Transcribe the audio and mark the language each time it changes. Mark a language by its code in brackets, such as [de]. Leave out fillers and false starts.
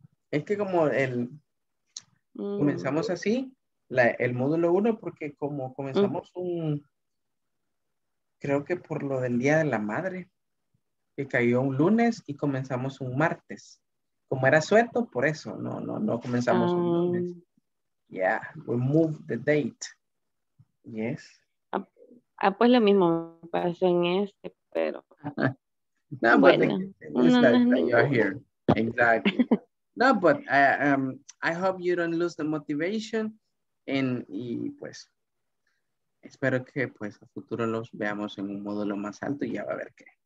[es] Es que como comenzamos así, el módulo 1, porque como comenzamos creo que por lo del Día de la Madre, que cayó un lunes y comenzamos un martes. como era suelto, por eso no comenzamos. [en] Yeah, we moved the date. Yes. [es] Ah, pues lo mismo pasó en este, pero. [en] No, but you're here. Exactly. No, but I hope you don't lose the motivation. [es] Y pues, espero que pues a futuro los veamos en un módulo más alto y ya va a ver qué.